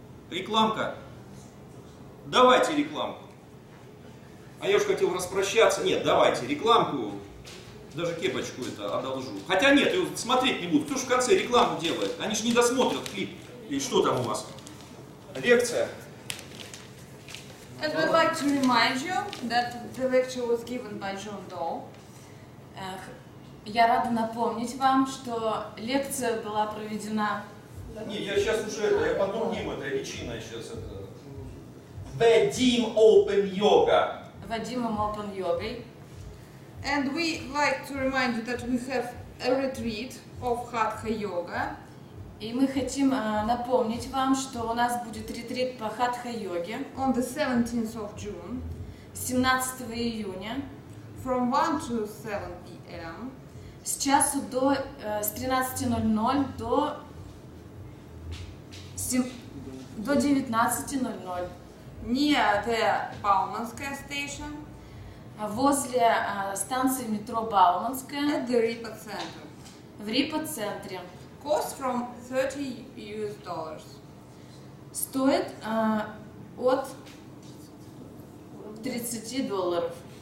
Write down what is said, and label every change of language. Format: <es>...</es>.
<ru>Рекламка. Давайте рекламку. А я уж хотел распрощаться. Нет, давайте рекламку. Даже кепочку это одолжу. Хотя нет, смотреть не буду. Кто же в конце рекламу делает? Они же не досмотрят клип. И что там у вас? Лекция.</ru> <en>I would like to remind you that the lecture was given by John Doe.</en> <ru>Я рада напомнить вам, что лекция была проведена... Нет, я сейчас уже это, я под другим это, личина сейчас это...</ru> <en>Vadim Open Yoga. Vadim Open Yoga. And we like to remind you that we have a retreat of Hatha Yoga.</en> <ru>И мы хотим напомнить вам, что у нас будет ретрит по хатха-йоге.</ru> <en>On the 17th of June.</en> <ru>17 июня.</ru> <en>From 1 to 7 p.m.</en> <ru>С часу до... с 13.00 до... до 19.00.</ru> <en>Near the Bauманская station.</en> <ru>Возле станции метро Бауманская.</ru> <en>At the RIPA Center.</en> <ru>В РИПА-центре.</ru> <en>Cost from $30.</en> <ru>Стоит от $30.</ru>